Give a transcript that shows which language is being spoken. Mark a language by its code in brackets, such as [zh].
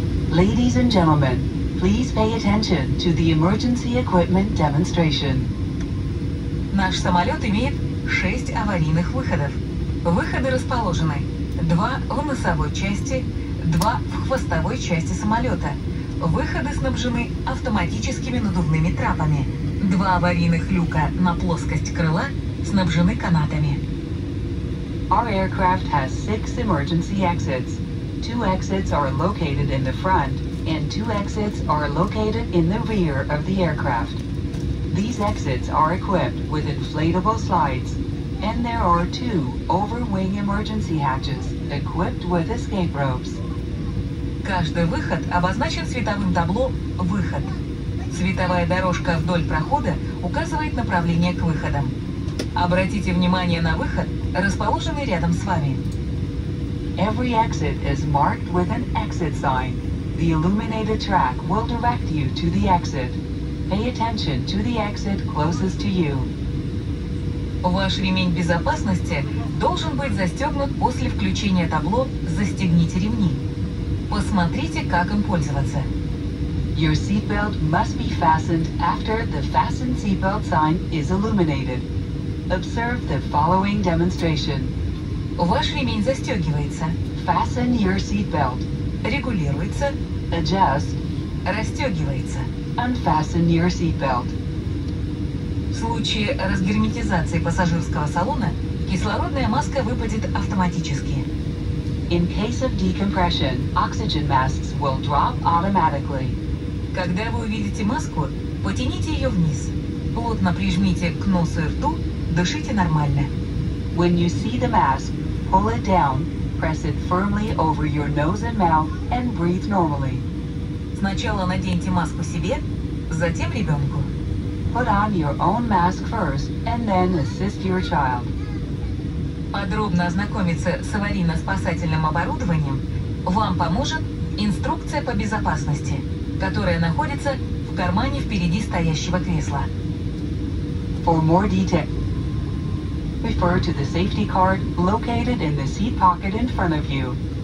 [en] Ladies and gentlemen, please pay attention to the emergency equipment demonstration. [ru] Наш самолет имеет 6 аварийных выходов. Выходы расположены 2 в носовой части, 2 в хвостовой части самолета. Выходы снабжены автоматическими надувными трапами. 2 аварийных люка на плоскость крыла снабжены канатами. [en] Our aircraft has 6 emergency exits. 2 exits are located in the front, and 2 exits are located in the rear of the aircraft. These exits are equipped with inflatable slides, and there are 2 overwing emergency hatches equipped with escape ropes. [ru] Каждый выход обозначен световым табло «Выход». Световая дорожка вдоль прохода указывает направление к выходам. Обратите внимание на выход, расположенный рядом с вами. [en] Every exit is marked with an exit sign. The illuminated track will direct you to the exit. Pay attention to the exit closest to you. [ru] Ваш ремень безопасности должен быть застегнут после включения табло «Застегните ремни». Посмотрите, как им пользоваться. [en] Your seatbelt must be fastened after the fasten seatbelt sign is illuminated. Observe the following demonstration. [ru] Ваш ремень застегивается. [en] Fasten your seatbelt. [ru] Регулируется. [en] Adjust. [ru] Расстегивается. [en] Unfasten your seatbelt. [ru] В случае разгерметизации пассажирского салона кислородная маска выпадет автоматически. [en] In case of decompression, oxygen masks will drop automatically. [ru] Когда вы увидите маску, потяните ее вниз. Плотно прижмите к носу и рту, дышите нормально. [en] When you see the mask, pull it down, press it firmly over your nose and mouth, and breathe normally. [ru] Сначала наденьте маску себе, затем ребенку. [en] Put on your own mask first, and then assist your child. [ru] Подробно ознакомиться с аварийно-спасательным оборудованием вам поможет инструкция по безопасности, которая находится в кармане впереди стоящего кресла. [en] For more details, refer to the safety card located in the seat pocket in front of you.